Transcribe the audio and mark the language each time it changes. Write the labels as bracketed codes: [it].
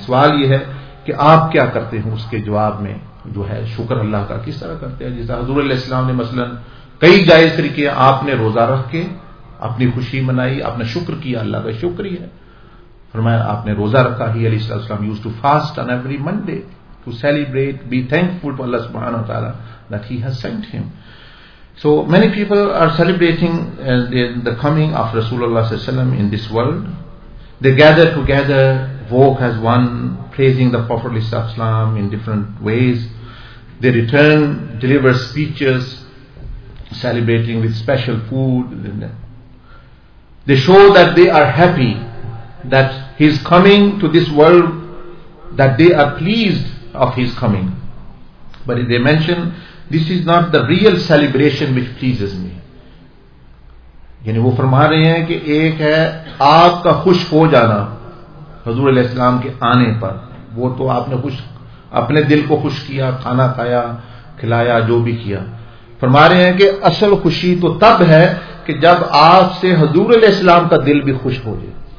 [ur] سوال یہ ہے کہ آپ کیا کرتے ہیں اس کے جواب میں, جو ہے شکر اللہ کا کس طرح کرتے ہیں. جیسا حضور علیہ السلام نے مثلا کئی جائز طریقے آپ نے روزہ رکھ کے اپنی خوشی منائی, آپ نے شکر کیا, اللہ کا شکر ہی ہے. فرمایا آپ نے روزہ رکھا ہی, [en] علیہ السلام used to fast on every Monday to celebrate be thankful to Allah سبحانہ وتعالیٰ that he has sent him. So many people are celebrating the coming of Rasulullah sallallahu alaihi wasallam in this world. They gather together, walk as one, praising the Prophet sallallahu alaihi wasallam in different ways. They return, deliver speeches, celebrating with special food. They show that they are happy that his coming to this world, that they are pleased of his coming. But they mention, this is not the real celebration which pleases me. [ur] یعنی وہ فرما رہے ہیں کہ ایک ہے آپ کا خوش ہو جانا حضور علیہ السلام کے آنے پر, وہ تو آپ نے خوش اپنے دل کو خوش کیا, کھانا کھایا, کھلایا, جو بھی کیا. فرما رہے ہیں کہ اصل خوشی تو تب ہے کہ جب آپ سے حضور علیہ السلام کا دل بھی خوش ہو جائے.